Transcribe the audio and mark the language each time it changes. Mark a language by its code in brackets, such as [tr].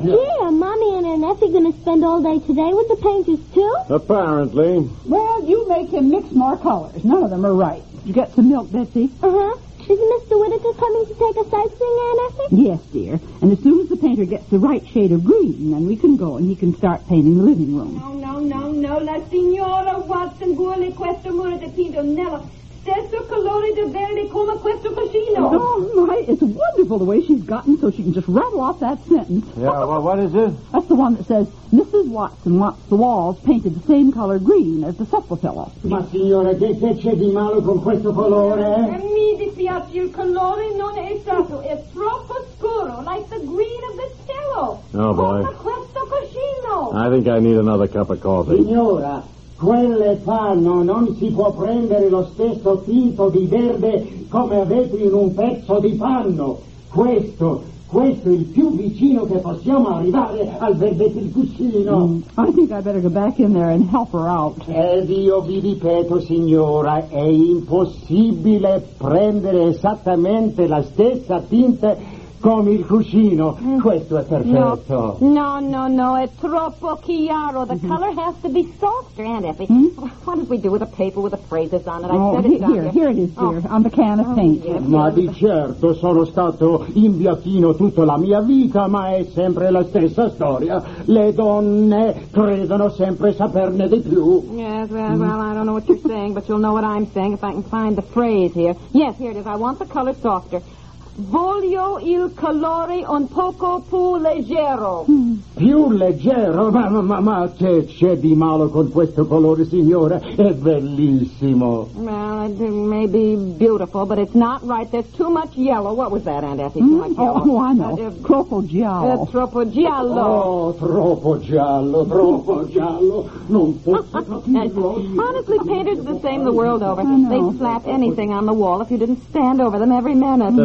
[en] Yeah, Mommy and Aunt Effie going to spend all day today with the painters, too? Apparently. Well, you make him mix more colors. None of them are right. You got some milk, Betsy? Uh-huh. Is Mr. Whittaker coming to take a sightseeing, Aunt Effie? Yes, dear. And as soon as the painter gets the right shade of green, then we can go and he can start painting the living room. [it] No, la signora Watson vuole questo muro dipinto nello stesso colore di verde come questo vasino. [en] Oh, my, it's wonderful the way she's gotten so she can just rattle off that sentence. Yeah, well, what is it? That's the one that says, Mrs. Watson wants the walls painted the same color green as the sepulchella. [it] Ma signora, che c'è di male con questo colore? Mi dispiace, il colore non è stato. È troppo scuro, [en] like the green of the cello. Oh, boy. I think I need another cup of coffee. [it] Signora, quelle fanno non si può prendere lo stesso tinto di verde come avete in un pezzo di panno. Questo è il più vicino che possiamo arrivare al verde del cuscino. [en] I think I better go back in there and help her out. [it] Ed io vi ripeto, signora, è impossibile prendere esattamente la stessa tinta come il cuscino. Questo è perfetto. No, è troppo chiaro. [en] The color has to be softer, Aunt Effie. Hmm? What did we do with a paper with the phrases on it? Here it is, dear, on the can of paint. Yes, [it] ma di certo sono stato in bianchino tutta la mia vita, ma è sempre la stessa storia. Le donne credono sempre saperne di più. [en] Yes, well, I don't know what you're saying, but you'll know what I'm saying if I can find the phrase here. Yes, here it is. I want the color softer. [it] Voglio il colore un poco più leggero. Più leggero? Ma che c'è di male con questo colore, signora? È bellissimo. [en] Well, it may be beautiful, but it's not right. There's too much yellow. What was that, Aunt Effie? Oh, I know. [it] Troppo giallo. Troppo giallo. Oh, troppo giallo, troppo giallo. Non posso capirlo. [en] Honestly, painters are the same the world over. They slap anything on the wall if you didn't stand over them every minute.